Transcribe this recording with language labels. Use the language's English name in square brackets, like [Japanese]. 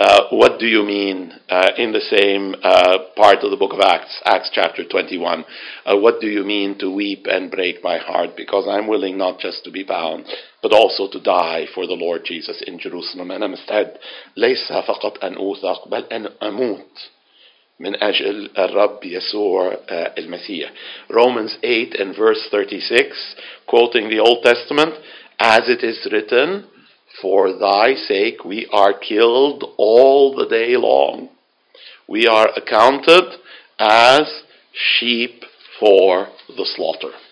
[English] what do you mean in the same part of the book of Acts, Acts chapter 21? What do you mean to weep and break my heart? Because I'm willing not just to be bound, but also to die for the Lord Jesus in Jerusalem. [Arabic] أنا مستعد ليس فقط أن أوثق بل أن أموت من أجل الرب يسوع المسيح. [English] Romans 8 and verse 36, quoting the Old Testament, as it is written, for thy sake we are killed all the day long. We are accounted as sheep for the slaughter.